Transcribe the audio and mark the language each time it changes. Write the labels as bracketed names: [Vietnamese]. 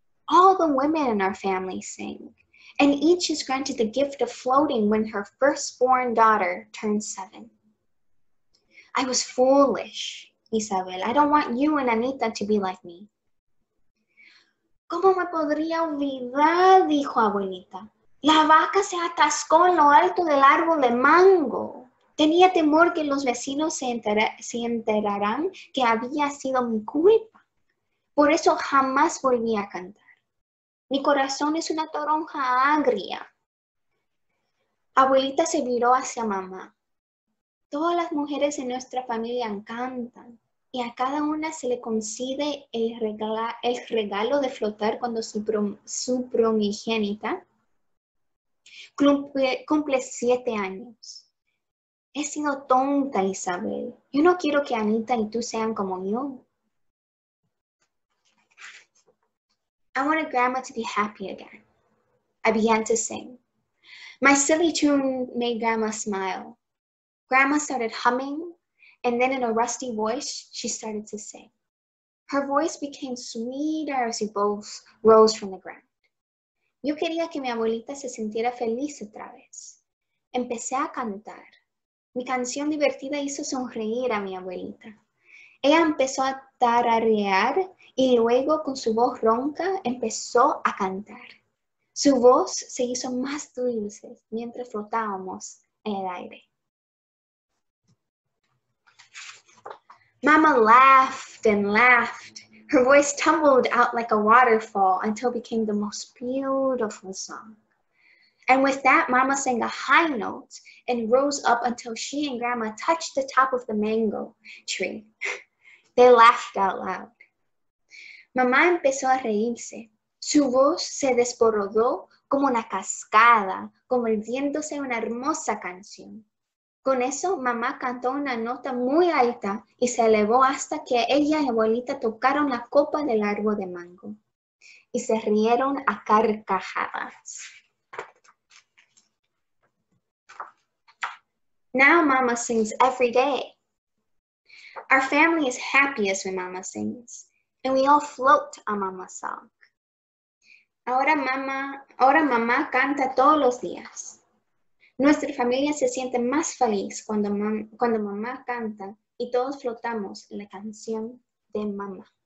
[English] All the women in our family sing. And each is granted the gift of floating when her firstborn daughter turns 7. I was foolish, Isabel. I don't want you and Anita to be like me. [Spanish] ¿Cómo me podría olvidar? Dijo abuelita. La vaca se atascó en lo alto del árbol de mango. Tenía temor que los vecinos se enterarán que había sido mi culpa. Por eso jamás volví a cantar. Mi corazón es una toronja agria. Abuelita se miró hacia mamá. Todas las mujeres en nuestra familia cantan y a cada una se le concede el regalo de flotar cuando su primogénita cumple 7 años. He sido tonta, Isabel. Yo no quiero que Anita y tú sean como yo. [English] I wanted Grandma to be happy again. I began to sing. My silly tune made Grandma smile. Grandma started humming, and then in a rusty voice, she started to sing. Her voice became sweeter as we both rose from the ground. [Spanish] Yo quería que mi abuelita se sintiera feliz otra vez. Empecé a cantar. Mi canción divertida hizo sonreír a mi abuelita. Ella empezó a tararear y luego con su voz ronca empezó a cantar. Su voz se hizo más dulce mientras flotábamos en el aire. [English] Mama laughed and laughed. Her voice tumbled out like a waterfall until it became the most beautiful song. And with that, Mama sang a high note and rose up until she and Grandma touched the top of the mango tree. They laughed out loud. [Spanish] Mamá empezó a reírse. Su voz se desborodó como una cascada, convirtiéndose en una hermosa canción. Con eso, mamá cantó una nota muy alta y se elevó hasta que ella y abuelita tocaron la copa del árbol de mango. Y se rieron a carcajadas. [English] Now mama sings every day. Our family is happiest when Mama sings, and we all float on Mama's song. [Spanish] Ahora mamá canta todos los días. Nuestra familia se siente más feliz cuando mamá canta y todos flotamos en la canción de mamá.